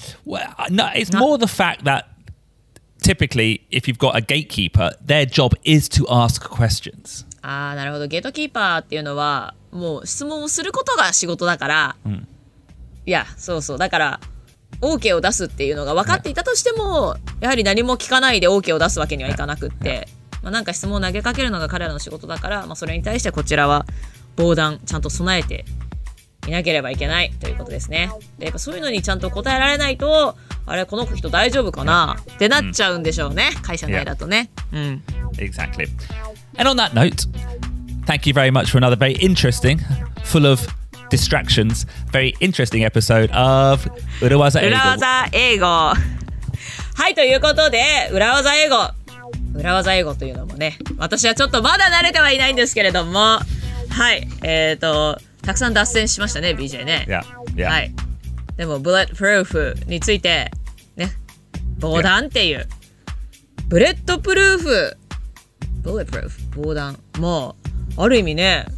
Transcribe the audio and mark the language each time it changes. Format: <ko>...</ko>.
<en>Well, no, it's more the fact that typically, if you've got a gatekeeper, their job is to ask questions.</en> <ja>ああ、なるほど。ゲートキーパーっていうのは、もう質問をすることが仕事だから、いや、そうそう。だから、OK を出すっていうのが分かっていたとしても、やはり何も聞かないで OK を出すわけにはいかなくって、まあ、なんか質問を投げかけるのが彼らの仕事だから、まあ、それに対してこちらは防弾ちゃんと備えていなければいけないということですね。で、やっぱそういうのにちゃんと答えられないと、あれこの人大丈夫かなってなっちゃうんでしょうね、会社内だとね。</ja> <en>Exactly. And on that note, thank you very much for another very interesting, full ofDistractions. Very interesting episode of 裏技英語。</en> <ja>裏技英語。はい、ということで裏技英語。裏技英語というのもね、私はちょっとまだ慣れてはいないんですけれども、はい、たくさん脱線しましたね、BJ ね。 Yeah, yeah. はい。でも bulletproof についてね、防弾っていう、ブレットプルーフ、bulletproof、防弾、もうある意味ね。</ja>